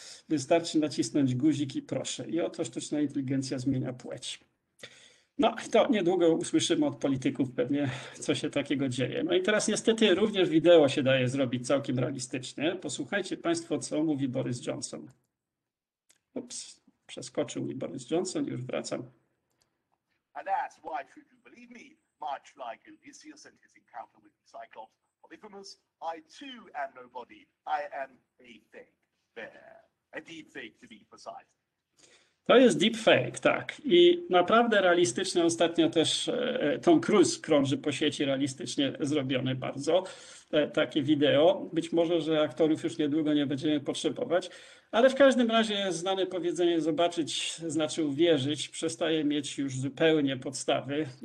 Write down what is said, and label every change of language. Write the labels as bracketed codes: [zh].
[pl] Wystarczy nacisnąć guzik i proszę. I oto sztuczna inteligencja zmienia płeć. No i to niedługo usłyszymy od polityków pewnie, co się takiego dzieje. No i teraz niestety również wideo się daje zrobić całkiem realistycznie. Posłuchajcie Państwo, co mówi Boris Johnson. Ups, przeskoczył mi Boris Johnson, już wracam. [en] And that's why should you believe me, much like Odysseus and his encounter with Cyclops Polyphemus, I too am nobody. I am a fake bear. A deep fake to be precise. [pl] To jest deepfake, tak. I naprawdę realistycznie ostatnio też Tom Cruise krąży po sieci, realistycznie zrobione bardzo takie wideo. Być może, że aktorów już niedługo nie będziemy potrzebować, ale w każdym razie znane powiedzenie zobaczyć znaczy uwierzyć, przestaje mieć już zupełnie podstawy.